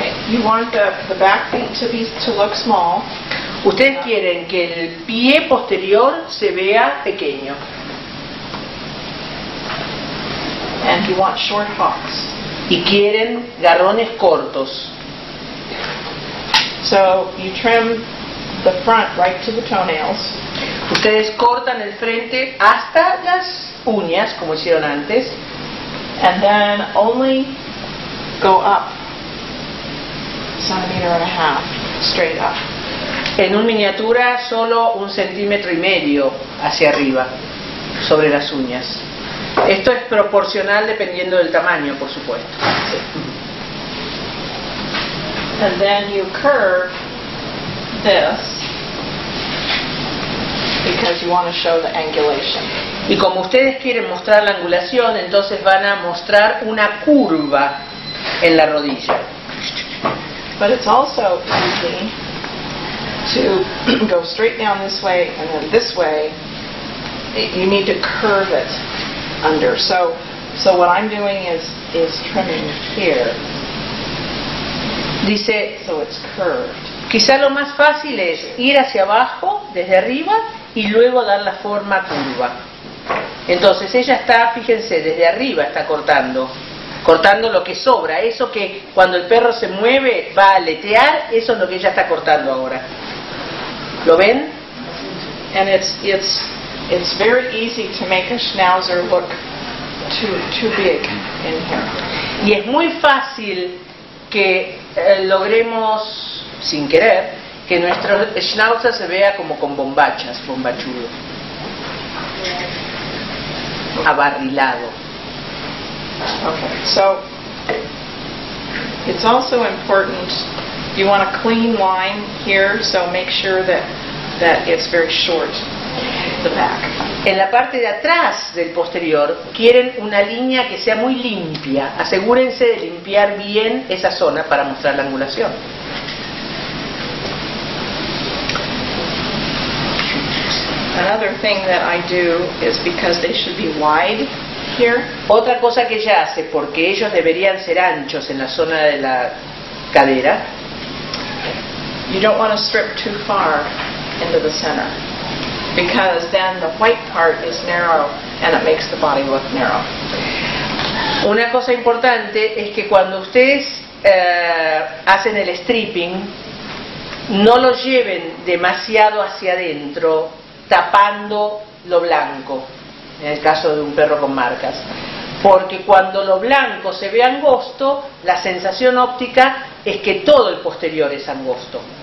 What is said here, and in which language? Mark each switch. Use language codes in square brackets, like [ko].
[en] You want the back feet to look small. [es] Ustedes quieren que el pie posterior se vea pequeño. [en] And you want short hocks. [es] Y quieren garrones cortos. [en] So you trim the front right to the toenails. [es] Ustedes cortan el frente hasta las uñas, como hicieron antes. [en] And then only go up. Centimeter and a half, straight up. [es] En un miniatura, solo un centímetro y medio hacia arriba, sobre las uñas. Esto es proporcional dependiendo del tamaño, por supuesto. [en] And then you curve this because you want to show the angulation. [es] Y como ustedes quieren mostrar la angulación, entonces van a mostrar una curva en la rodilla. [en] But it's also easy to go straight down this way and then this way. You need to curve it under. So what I'm doing is trimming here [es] Dice, [en] so it's curved. [es] Quizá lo más fácil es ir hacia abajo, desde arriba, y luego dar la forma curva. Entonces ella está, fíjense, desde arriba está cortando. Cortando lo que sobra, eso que cuando el perro se mueve va a aletear, eso es lo que ella está cortando ahora. ¿Lo ven? [en] And it's very easy to make a schnauzer look too big in here. [es] Y es muy fácil que logremos, sin querer, que nuestro schnauzer se vea como con bombachas, bombachudo. Abarrilado. [en] Okay, so it's also important, you want a clean line here, so make sure that it's very short, the back. [es] En la parte de atrás del posterior, quieren una línea que sea muy limpia. Asegúrense de limpiar bien esa zona para mostrar la angulación. [en] Another thing that I do is because they should be wide. Here. [es] Otra cosa que ella hace, porque ellos deberían ser anchos en la zona de la cadera. [en] You don't want to strip too far into the center, because then the white part is narrow and it makes the body look narrow. [es] Una cosa importante es que cuando ustedes hacen el stripping, no lo lleven demasiado hacia adentro, tapando lo blanco. En el caso de un perro con marcas, porque cuando lo blanco se ve angosto, la sensación óptica es que todo el posterior es angosto.